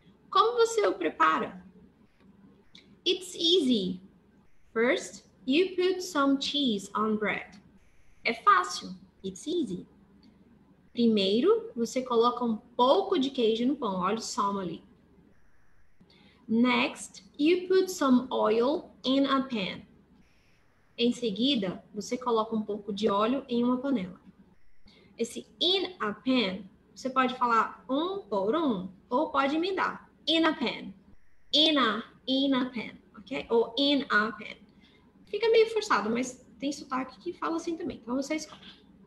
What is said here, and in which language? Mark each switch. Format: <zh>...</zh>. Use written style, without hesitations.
<pt>Como você o prepara?</pt> <en>It's easy. First, you put some cheese on bread.</en> <pt>É fácil.</pt> <en>It's easy.</en> <pt>Primeiro, você coloca um pouco de queijo no pão. Olha só ali.</pt> <en>Next, you put some oil in a pan.</en> <pt>Em seguida, você coloca um pouco de óleo em uma panela. Esse</pt> <en>in a pan,</en> <pt>você pode falar um por um, ou pode emendar.</pt> <en>In a pan. In a pan. Ok? Ou in a pan.</en> <pt>Fica meio forçado, mas tem sotaque que fala assim também. Então, você escolhe.</pt>